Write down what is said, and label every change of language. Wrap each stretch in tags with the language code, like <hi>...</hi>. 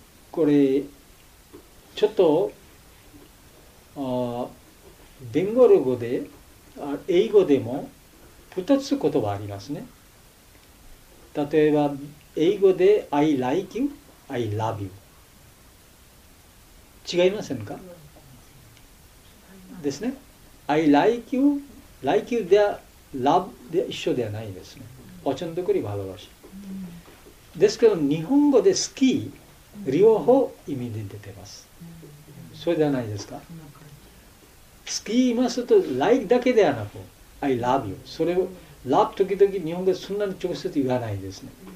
<ja>これちょっとベンガル語で英語でも2つ言葉ありますね。例えば英語で</ja> <en>I like you, I love you。</en> <ja>違いませんか、ですね。</ja> <en>I like you, like you</en> <ja>で love で一緒ではないですね。</ja> <bn>おちょんどくりばどろし。</bn> <ja>ですけど日本語で好き両方意味で出てます。それではないですか。好き言いますと like だけではなく</ja> <en>I love you、</en> <ja>それを love 時々日本語でそんなに直接言わないですね。</ja>